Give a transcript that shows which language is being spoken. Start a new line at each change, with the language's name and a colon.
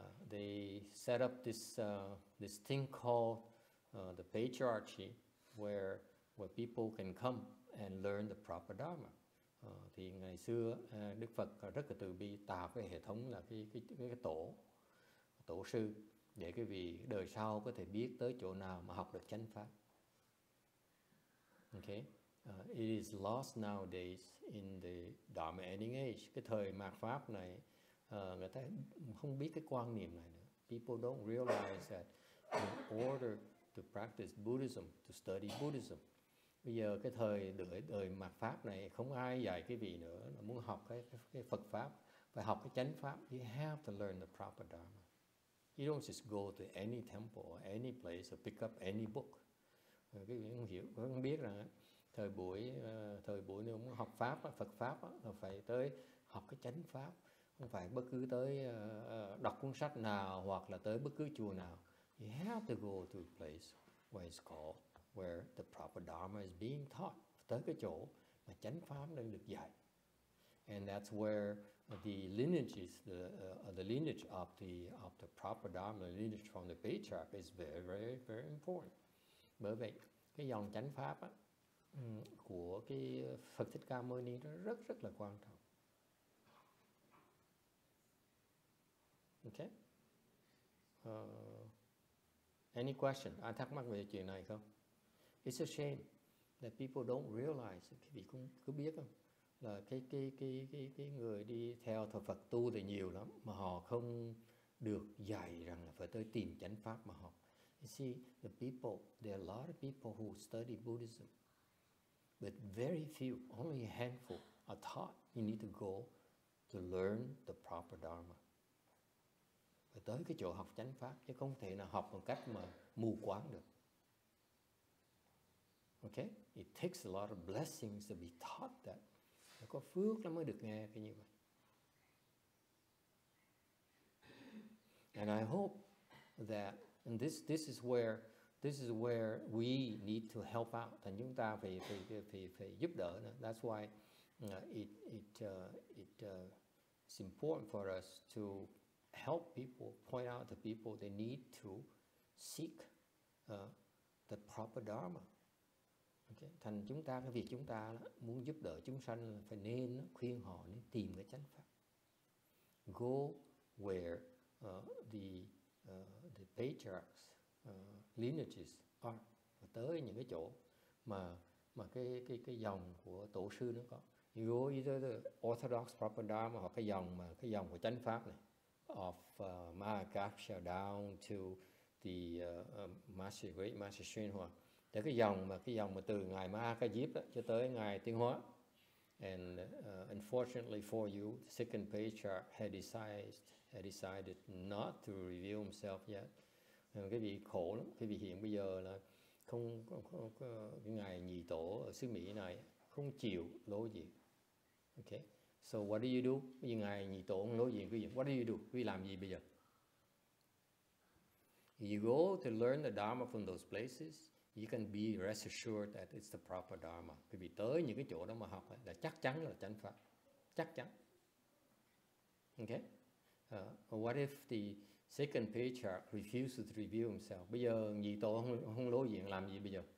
English: They set up this thing called the patriarchy, where people can come and learn the proper dharma.
Vietnamese: Thì ngày xưa Đức Phật rất là từ bi tạo cái hệ thống là cái tổ sư để cái vị đời sau có thể biết tới chỗ nào mà học được chánh pháp.
English: Okay. It is lost nowadays in the Dharma ending age.
Vietnamese: Cái thời mạt pháp này, người ta không biết cái quan niệm này nữa.
English: People don't realize that in order to practice Buddhism, to study Buddhism,
Vietnamese: bây giờ cái thời đời mạt pháp này không ai dạy cái vị nữa là muốn học cái Phật pháp, phải học cái chánh pháp.
English: You have to learn the proper Dharma. You don't just go to any temple or any place or pick up any book.
Vietnamese: Cái vị không hiểu, không biết rằng thời buổi nếu muốn học pháp Phật pháp là phải tới học cái chánh pháp, không phải bất cứ tới đọc cuốn sách nào hoặc là tới bất cứ chùa nào.
English: You have to go to a place where it's called where the proper dharma is being taught,
Vietnamese: tới cái chỗ mà chánh pháp đang được dạy.
English: And that's where the lineage is, the lineage of the proper dharma, the lineage from the patriarch is very very very important.
Vietnamese: Bởi vậy cái dòng chánh pháp á của cái Phật Thích Ca Mâu Ni nó rất rất là quan trọng.
English: Okay. Any question?
Vietnamese: Ai thắc mắc về chuyện này không?
English: It's a shame that people don't realize.
Vietnamese: Các vị cũng cứ biết không? Là cái người đi theo thờ Phật tu thì nhiều lắm mà họ không được dạy rằng là phải tới tìm chánh pháp mà học.
English: You see, there are a lot of people who study Buddhism, but very few, only a handful, are taught you need to go to learn the proper dharma.
Vietnamese: Và tới cái chỗ học chánh pháp, chứ không thể nào học bằng cách mà mù quáng được.
English: Okay? It takes a lot of blessings to be taught that.
Vietnamese: Phải có phước nó mới được nghe cái như vậy.
English: And I hope that, and this is where we need to help out.
Vietnamese: Thành chúng ta phải giúp đỡ nữa.
English: That's why it's important for us to help people, point out to people they need to seek the proper dharma. Okay.
Vietnamese: Thành chúng ta cái việc chúng ta muốn giúp đỡ chúng sanh là phải nên khuyên họ nên tìm cái chánh pháp.
English: Go where the patriarchs lineages are,
Vietnamese: và tới những cái chỗ mà cái dòng của tổ sư nó có.
English: You go either the orthodox proper dharma
Vietnamese: hoặc cái dòng của chánh pháp này,
English: of Mahakasya down to the Master, great Master Xuanhua,
Vietnamese: tới cái dòng mà từ ngài Mahakajip cho tới ngài Tiên Hóa.
English: And unfortunately for you, the second patriarch had decided not to reveal himself yet.
Vietnamese: Cái vị khổ lắm, cái vị hiện bây giờ là không cái ngài nhị tổ ở xứ Mỹ này không chịu lộ diện.
English: Okay, so what do you do?
Vietnamese: Bây giờ ngài nhị tổ không lộ diện, quý vị,
English: what do you do?
Vietnamese: Quý vị làm gì bây giờ?
English: You go to learn the dharma from those places, you can be rest assured that it's the proper dharma.
Vietnamese: Quý vị tới những cái chỗ đó mà học là chắc chắn là chánh pháp, chắc chắn.
English: Okay. What if the second patriarch refuses to reveal himself?
Vietnamese: Bây giờ nhị tổ không lộ diện làm gì bây giờ?